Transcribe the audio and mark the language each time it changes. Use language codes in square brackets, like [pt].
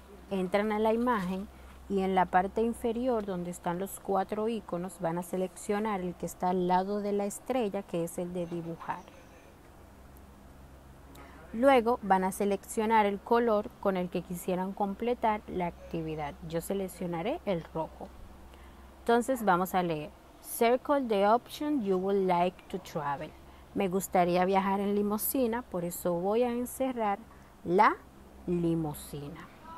[es] Entran a la imagen y en la parte inferior donde están los cuatro iconos van a seleccionar el que está al lado de la estrella, que es el de dibujar. Luego van a seleccionar el color con el que quisieran completar la actividad. Yo seleccionaré el rojo. Entonces vamos a leer. [en] Circle the option you would like to travel. [es] Me gustaría viajar en limusina, por eso voy a encerrar la limusina.